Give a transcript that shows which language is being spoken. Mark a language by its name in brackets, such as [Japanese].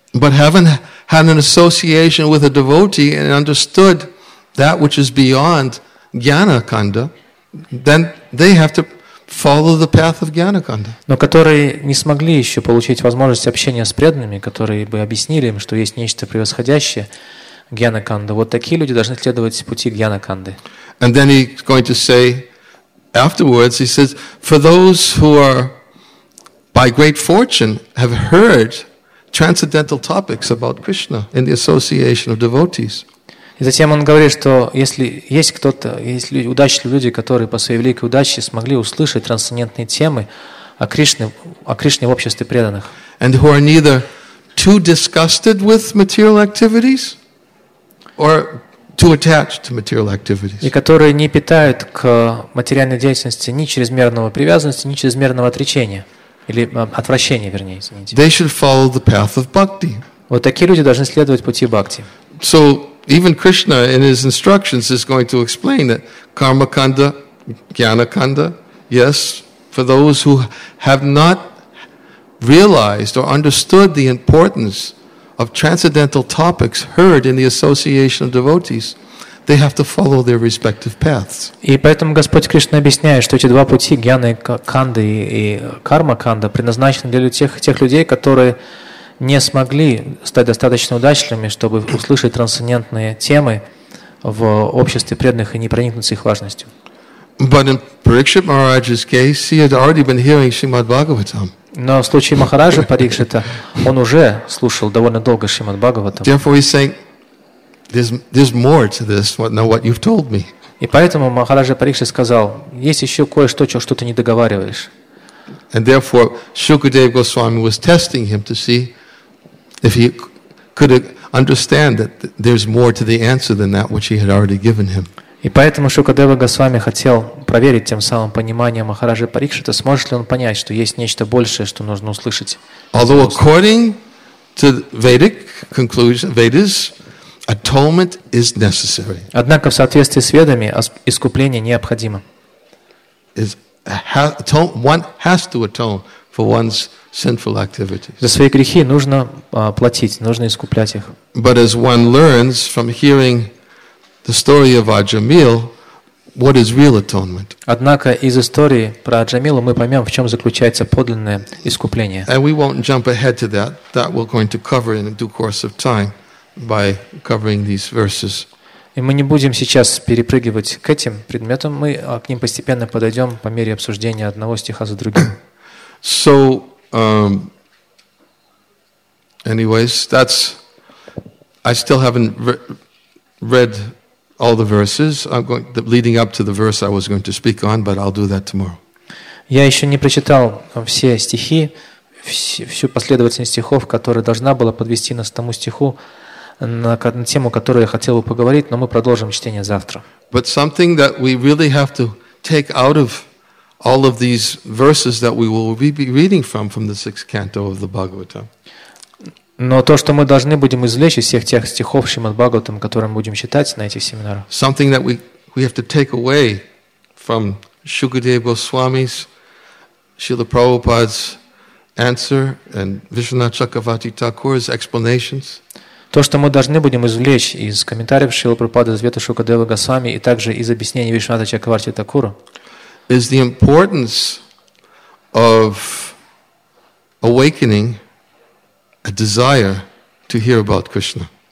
[English] But having had an association with a devotee and understood that which is beyond Jnana Kanda, then they have to follow the path of Jnana Kanda. [Russian] Но которые не смогли еще получить возможность общения с преданными, которые бы объяснили им, что есть нечто превосходящее Jnana Kanda. Вот такие люди должны следовать пути Jnana Kanda. [English] And then he's going to say. Afterwards, he says, for those who are, by great fortune, have heard transcendental topics about Krishna in the association of devotees. [Russian] И затем он говорит, что если есть кто-то, есть люди, удачливые люди, которые по своей великой удаче смогли услышать трансцендентные темы о Кришне в обществе преданных. [English] And who are neither too disgusted with material activities or too attached to material activities. [Russian] И которые не питают к материальной деятельности ни чрезмерного привязанности, ни чрезмерного отречения или отвращения, вернее, извините. [English] They should follow the path of bhakti. [Russian] Вот такие люди должны следовать пути бхакти. [English] So even Krishna in his instructions is going to explain that karma kanda, jnana kanda, yes, for those who have not realized or understood the importance of transcendental topics heard in the association of devotees, they have to follow their respective paths. [Russian] И поэтому Господь Кришна объясняет, что эти два пути, гьяна канда и карма канда, предназначены для тех людей, которые не смогли стать достаточно удачливыми, чтобы услышать трансцендентные темы в обществе преданных и не проникнуться их важностью. [English] But in Parikshit Maharaj's case, he had already been hearing Srimad Bhagavatam. [Russian] Но в случае Махараджа Парикшита он уже слушал довольно долго Шримад Бхагаватам. [English] Therefore, he's saying, "There's more to this than what you've told me." [Russian] И поэтому Махараджа Парикшита сказал: "Есть еще кое-что, что ты не договариваешь." [English] And therefore, Shukadeva Goswami was testing him to see if he could understand that there's more to the answer than that which he had already given him. [Russian] И поэтому Шукадева Госвами хотел проверить тем самым понимание Махараджи Парикшита, сможет ли он понять, что есть нечто большее, что нужно услышать. [English] Although according to Vedic conclusion, Vedas, atonement is necessary. [Russian] Однако в соответствии с Ведами искупление необходимо. [English] One has to atone for one's sinful activities. [Russian] За свои грехи нужно платить, нужно искуплять их. [English] But as one learns from hearing the story of Аджамил, what is real atonement? [Russian] Однако из истории про Аджамилу мы поймем, в чем заключается подлинное искупление. [English] And we won't jump ahead to that. That we're going to cover in due course of time by covering these verses. [Russian] И мы не будем сейчас перепрыгивать к этим предметам, мы к ним постепенно подойдем по мере обсуждения одного стиха за другим. [English] So, anyways, that's. I still haven't read all the verses. I'm going leading up to the verse I was going to speak on, but I'll do that tomorrow. [Russian] Я еще не прочитал все стихи, всю последовательность стихов, которая должна была подвести нас к тому стиху, на тему, которую я хотел бы поговорить, но мы продолжим чтение завтра. [English] But something that we really have to take out of all of these verses that we will be reading from the sixth canto of the Bhagavatam. [Russian] Но то, что мы должны будем извлечь из всех тех стихов Шримад Бхагаватам, которые мы будем читать на этих семинарах. [English] Something that we have to take away from Shukadeva Goswami's, Srila Prabhupada's answer and Vishwanatha Chakravarti Thakur's explanations. [Russian] То, что мы должны будем извлечь из комментариев Шрилы Прабхупады, Света Шукадевы Госвами и также из объяснений Вишнуната Чакраварти Такуру, [English] is the importance of awakening a desire to hear about Krishna.